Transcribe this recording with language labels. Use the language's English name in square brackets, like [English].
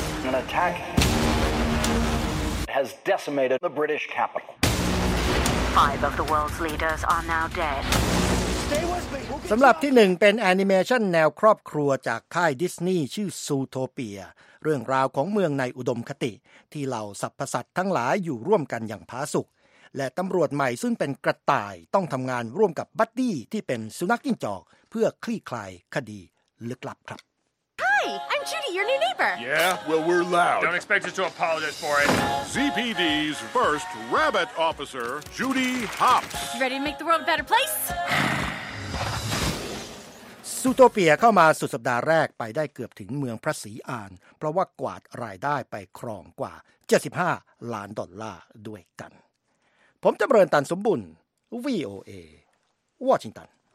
[English] An attack has decimated the British capital. Five of the world's leaders are now dead. Stay with me. We'll [Thai] สำหรับที่หนึ่งเป็นแอนิเมชันแนวครอบครัวจากค่ายดิสนีย์ชื่อ Zootopia เรื่องราวของเมืองในอุดมคติที่เหล่าสรรพสัตว์ทั้งหลายอยู่ร่วมกันอย่างผาสุกและตำรวจใหม่ซึ่งเป็นกระต่ายต้องทำงานร่วมกับบัดดี้ที่เป็นสุนัขจิ้งจอกเพื่อคลี่คลายคดีลึกลับครับ [English] Hi, I'm Judy, your new neighbor. Yeah, well, we're loud. Don't expect us to apologize for it. ZPD's first rabbit officer, Judy Hopps. You ready to make the world a better place? [Thai] ซูโตเปียเข้ามาสุดสัปดาห์แรกไปได้เกือบถึงเมืองพระศรีอานเพราะว่ากวาดรายได้ไปครองกว่า75ล้านดอลลาร์ด้วยกันผมจำเริญตันสมบุญ VOA วอชิงตัน